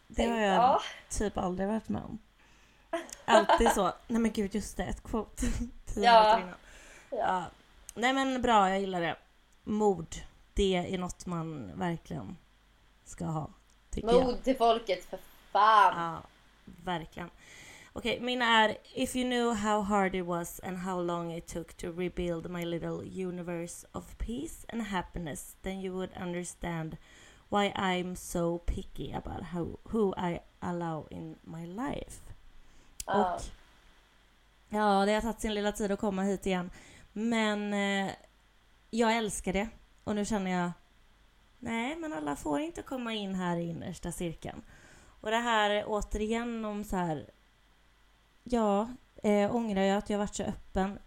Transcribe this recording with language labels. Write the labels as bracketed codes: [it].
[sv] Det har jag typ aldrig varit med om. Alltid så. Nej men gud, just det, ett quote. Ja. Ja. Nej men bra, jag gillar det. Mod, det är något man verkligen ska ha. Mod till folket, för fan. Ja, verkligen. Okej, mina är: [en] if you knew how hard it was and how long it took to rebuild my little universe of peace and happiness, then you would understand why I'm so picky about who I allow in my life. [sv] Oh. Och ja, det har tagit sin lilla tid att komma hit igen. Men jag älskar det. Och nu känner jag, nej, men alla får inte komma in här i innersta cirkeln. Och det här återigen om så här, ja, ångrar jag att jag varit så öppen?